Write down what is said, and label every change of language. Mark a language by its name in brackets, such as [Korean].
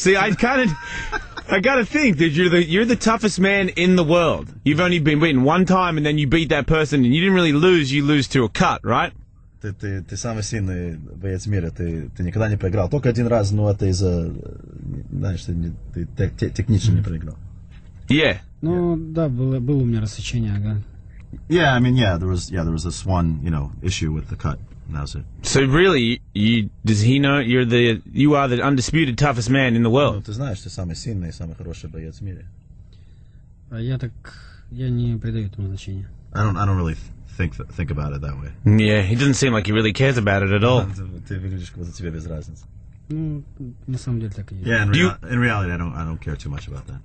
[English] See, I got to think, dude, you're the toughest man in the world. You've only been beaten one time, and then you beat that person, and you didn't really lose, you lose to a cut, right? [Russian] Ты самый сильный боец мира, ты никогда не проиграл. Только один раз, но это из-за, знаешь, ты технично не проиграл. [English] Yeah. [Russian] Ну, да, было у меня рассечение, ага. [English] Yeah, I mean, there was this one, you know, issue with the cut. So really, does he know you are the undisputed toughest man in the world? Ты знаешь, ты самый сильный и самый хороший боец в мире. [Russian] Я не придаю этому значения. [English] I don't really think about it that way. Yeah, he doesn't seem like he really cares about it at all. [Russian] Ты выглядишь, как будто тебе без разницы. Ну, на самом деле так и есть. [English] Yeah, in reality, I don't care too much about that.